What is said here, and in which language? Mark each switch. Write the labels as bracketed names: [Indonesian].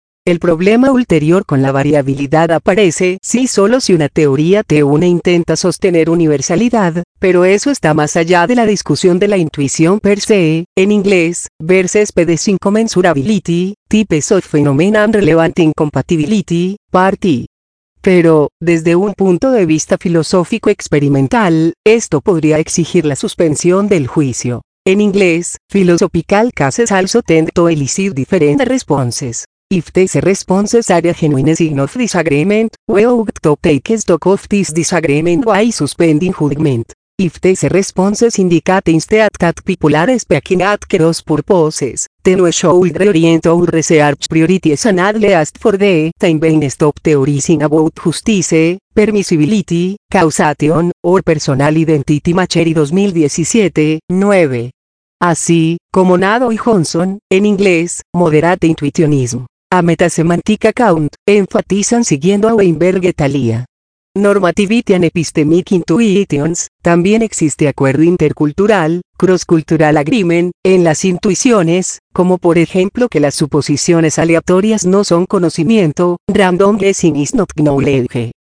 [Spanish] El problema ulterior con la variabilidad aparece sí solo si una teoría T1 intenta sostener universalidad, pero eso está más allá de la discusión de la intuición per se, en inglés, [English] versus PDS incommensurability, types of phenomena and relevant incompatibility, part I. [Spanish] Pero, desde un punto de vista filosófico experimental, esto podría exigir la suspensión del juicio. En inglés, [English] philosophical cases also tend to elicit different responses. If these responses are a genuine sign of disagreement, we ought to take stock of this disagreement by suspending judgment. If these responses indicate instead that people are speaking at cross purposes, then we should reorient our research priorities and at least for the time being stop theorizing about justice, permissibility, causation, or personal identity machery 2017-9. [Spanish] Así, como Nado y Johnson, en inglés, [English] moderate intuitionism. A metasemantic account, [Spanish] enfatizan siguiendo a Weinberg et al. [English] Normativity and epistemic intuitions, [Spanish] también existe acuerdo intercultural, [English] cross-cultural agreement, [Spanish] en las intuiciones, como por ejemplo que las suposiciones aleatorias no son conocimiento, [English] random guessing is not knowledge.